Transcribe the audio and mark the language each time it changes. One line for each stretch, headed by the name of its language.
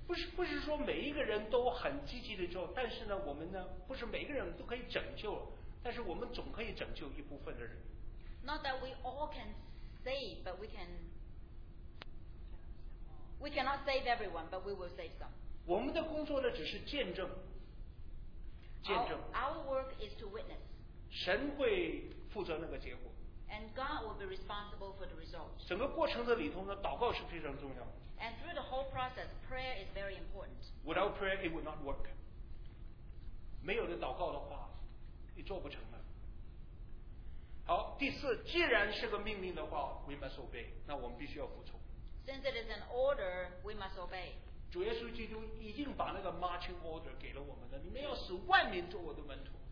Chinese: 不是说每一个人都很积极的做，但是呢，我们呢，不是每一个人都可以拯救，但是我们总可以拯救一部分的人。
English: Not that we all can save, but we cannot save everyone, but we will save some.
Chinese: 我们的工作呢，只是见证，见证。
English: Our work is to witness.
Chinese: 神会负责那个结果。
English: And God will be responsible for the results.
Chinese: 整个过程的里头呢，祷告是非常重要的。
English: And through the whole process, prayer is very important. Without prayer, it would not work.
Chinese: 没有了祷告的话，你做不成的。好，第四，既然是个命令的话 ，
English: we must obey.
Chinese: 那我们必须要服从。
English: Since it is an order, we must obey.
Chinese: 主耶稣基督已经把那个
English: marching order
Chinese: 给了我们了。你们要使万民做我的门徒。